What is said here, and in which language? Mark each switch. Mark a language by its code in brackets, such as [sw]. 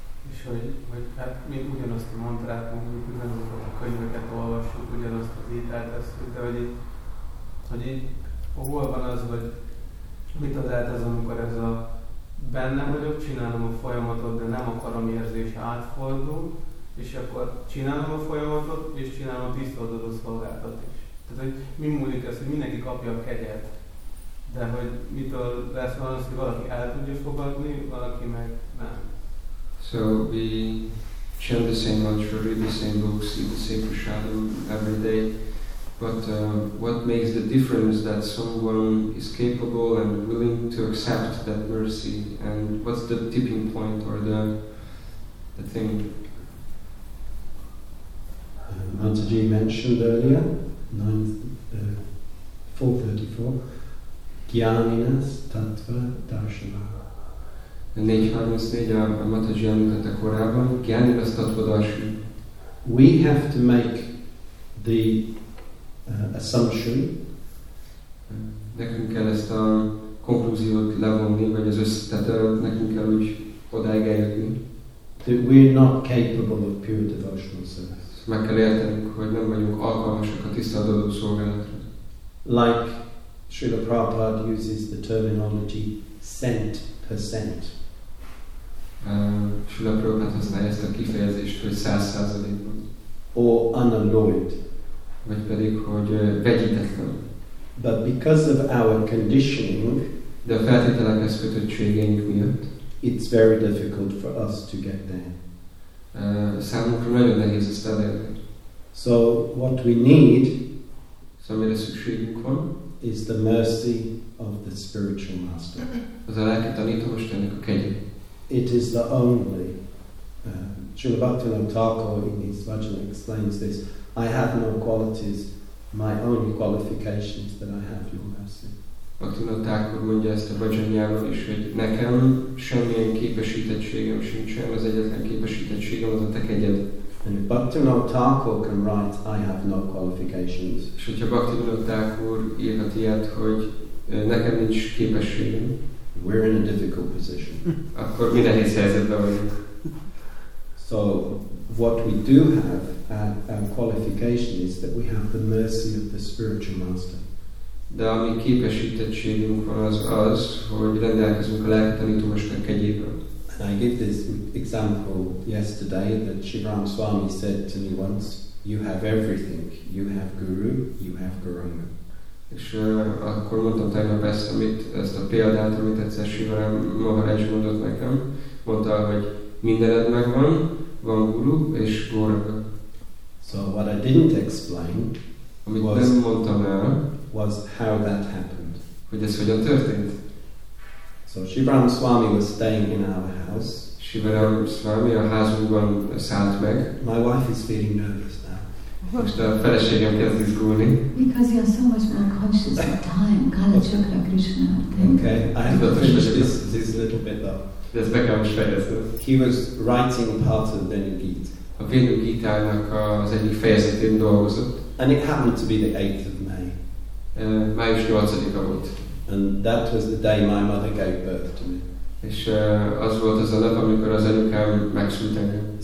[hu] És hogy hát mi ugyanazt a mantrát mondjuk, ugyanazokat a könyveket olvassuk, ugyanazt az ételt eszünk, de hogy itt hol van az, hogy mit ad át az, amikor ez a benne vagyok, csinálom a folyamatot, de nem akarom érzés átfordul, és akkor csinálom a folyamatot, és csinálom a tisztoldozó szolgáltat is. Tehát, hogy mi múlik ez, hogy mindenki kapja a kegyet, de hogy mitől lesz van az, hogy valaki el tudja fogadni, valaki meg nem. [en] So we chant the same mantra, read the same books, eat the same prasadam every day, but what makes the difference that someone is capable and willing to accept that mercy, and what's the tipping point or the thing? Mataji mentioned earlier, 4:34, Gyaninas Tattva Darshana. [hu] 4:34, a Mataji említette korábban, Gyaninas Tattva Darshana. [en] We have to make the assumption, [hu] nekünk kell ezt a konklúziót levonni, vagy az összetetőt nekünk kell úgy odáig eljutni. [en] That we're not capable of pure devotional service. [hu] Meg kell értenünk, hogy nem vagyunk alkalmasak a tiszta adoró szolgálatra. [en] Like Srila Prabhupada uses the terminology cent per cent. [hu] Srila Prabhupada használja ezt a kifejezést, hogy 100%-ban. [en] Or unalloyed. [hu] Vagy pedig, hogy vegyítetlen. [en] But because of our conditioning, [hu] de a feltételekhez kötöttségeink miatt, [en] it's very difficult for us to get there. [hu] Számunkra nagyon nehéz ezt elérni. [en] So what we need, [hu] amire szükségünk van, [en] is the mercy of the spiritual master. [hu] Az a lelki tanítómesternek a kegyelme. [en] It is the only. Srila Bhaktivinoda Thakur in his Vajra explains this. I have no qualities. My only qualifications that I have your mercy. [hu] Bhaktivinoda Thakur mondja ezt a Vajranyában is, hogy nekem semmilyen képesítettségem sincsen, az egyetlen képesítettségem az a te kegyed. [en] And if Bhaktivinoda Thakur can write, I have no qualifications. [hu] És hogyha Bhaktivinoda Thakur írhat ilyet, hogy nekem nincs képességem, [en] we're in a difficult position. [hu] Akkor mi nehéz helyzetben vagyunk. [en] So what we do have our qualification is that we have the mercy of the spiritual master. [hu] De ami képesítettségünk van az, hogy rendelkezünk a lelki tanítómester kegyével. [en] And I give this example yesterday that Shivram Swami said to me once, you have everything, you have guru, you have guranga. [hu] És akkor mondtam tegnap ezt a példát, amit egyszer Sivaram Maharaj mondott nekem. Mondta, hogy mindened megvan, van guru és guranga. [en] So what I didn't explain, [hu] amit [en] was, [hu] nem mondtam el, [en] was how that happened. [hu] Hogy ez hogyan történt. [en] So Shivaram Swami was staying in our house. [hu] Shivaram Swami a házunkban szállt meg. [en] My wife is feeling nervous now. [hu] Most a feleségem kezd izgulni. [en] Because you are so much more conscious of time, Kala Chakra Krishna. Okay, I have to finish this a little bit though. [hu] Ez be kell most fejezni. [en] He was writing part of the Venu Gita. [hu] A Venu Gita-nak az egyik fejezetén dolgozott. [en] And it happened to be the 8th of May. [hu] Május 8-a volt. [en] And that was the day my mother gave birth to me. [hu] És az volt az a nap, amikor az anyukám megszült engem.